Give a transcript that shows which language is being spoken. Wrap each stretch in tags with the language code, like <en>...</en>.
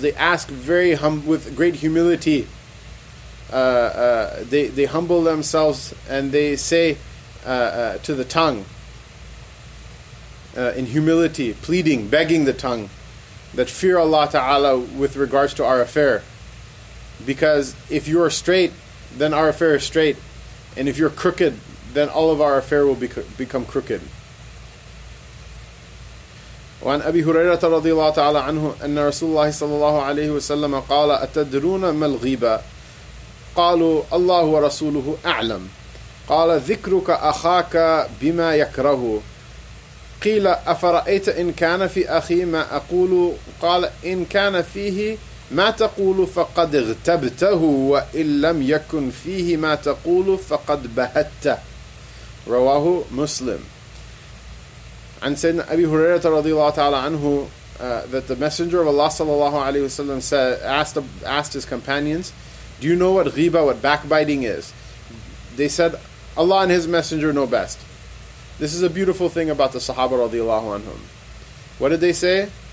<en>They ask very with great humility. They humble themselves and they say to the tongue in humility, pleading, begging the tongue, that fear Allah Ta'ala with regards to our affair. Because if you are straight, then our affair is straight. And if you're crooked, then all of our affair will become crooked.</en> <ar>وعن أبي هريرة رضي الله تعالى عنه أن رسول الله صلى الله عليه وسلم قال أتدرون ما الغيبة؟ قالوا الله ورسوله أعلم. قال ذكرك أخاك بما يكره. قيل أفرأيت إن كان في أخي ما أقول؟ قال إن كان فيه ما تقول فقد اغتبته وإن لم يكن فيه ما تقول فقد بهت. رواه مسلم. عن سيدنا أبي هريرة رضي الله تعالى عنه</ar> <en>that the messenger of Allah صلى الله عليه وسلم said, asked his companions, do you know what ghibah, what backbiting is? They said, Allah and His messenger know best. This is a beautiful thing about the Sahaba رضي الله عنهم. What did they say?</en>